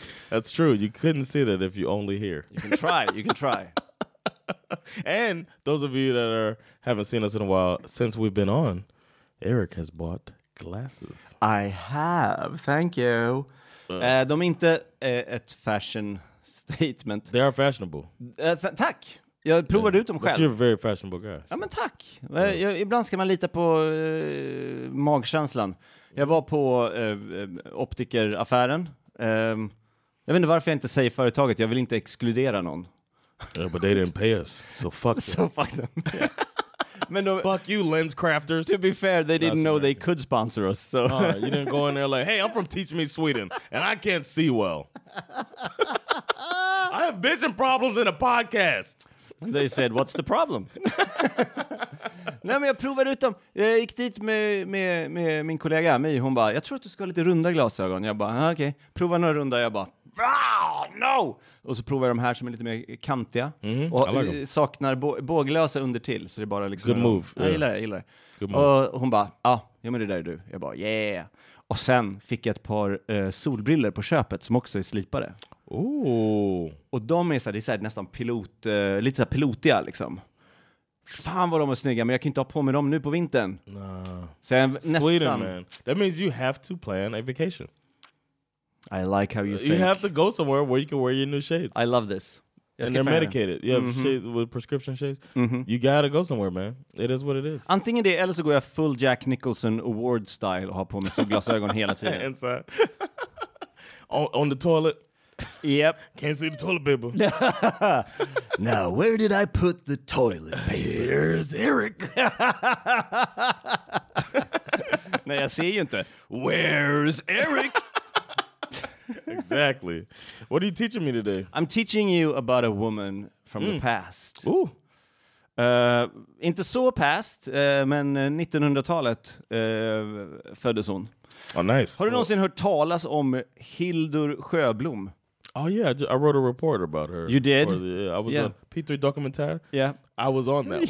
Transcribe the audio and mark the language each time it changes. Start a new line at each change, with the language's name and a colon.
English: That's true. You couldn't see that if you only hear. You can try. You can try. And those of you that haven't seen us in a while, since we've been on, Eric has bought glasses. I have. Thank you.
Swedish: De är inte ett
English: fashion statement. They are fashionable.
Swedish: Tack! Jag provade ut dem själv.
English: But you're a very fashionable guy.
Swedish: Ja, men tack! Ibland ska man lita på magkänslan. Jag var på optikeraffären. Jag vet inte varför jag inte säger företaget. Jag vill inte exkludera någon.
English: Yeah, but they didn't pay us, so fuck them. So fuck them.
Swedish: Men då,
English: fuck you, lens crafters. To be fair, they didn't know they could sponsor us. So you didn't go in there like, hey, I'm from Teach Me Sweden, and I can't see well. I have vision problems in a podcast. They said, what's the problem?
Swedish: Nej, men jag provade ut dem. Jag gick dit med min kollega, Amy. Hon bara, jag tror att du ska ha lite runda glasögon. Jag bara, okej, okay. Prova några runda. Jag bara, no! Och så provar jag de här som är lite mer kantiga. Mm-hmm. Och like saknar båglösa under till. Så det är bara liksom...
English: Good move.
Swedish: Jag gillar det, gillar det. Och hon bara, ja, men det där är du. Jag bara, yeah. Och sen fick jag ett par solbriller på köpet som också är slipade. Ooh. Och de är så här, det är så här nästan pilot, lite så här pilotiga liksom. Fan vad de är snygga, men jag kan inte ha på mig dem nu på vintern.
English: Nah.
Swedish: Så jag, nästan...
English: Sweden, man. That means you have to plan a vacation. I like how you think. You have to go somewhere where you can wear your new shades. I love this. And they're medicated. You have shades with prescription shades. Mm-hmm. You gotta go somewhere, man. It is what it is.
Swedish: Antingen det, eller så går jag full Jack Nicholson award style och har på mig solglasögon hela tiden.
English: Inside. on the toilet. Yep. Can't see the toilet paper. Now, where did I put the toilet paper? Here's Eric.
Swedish: Nej, jag ser ju inte.
English: Where's Eric? Exactly. What are you teaching me today? I'm teaching you about a woman from the past. Ooh.
Swedish: Inte så past, men 1900-talet föddes hon.
English: Oh, nice.
Swedish: Har du någonsin hört talas om Hildur Sjöblom?
English: Oh, yeah. I wrote a report about her. You did? I was on P3 Dokumentär. Yeah. I was on that one.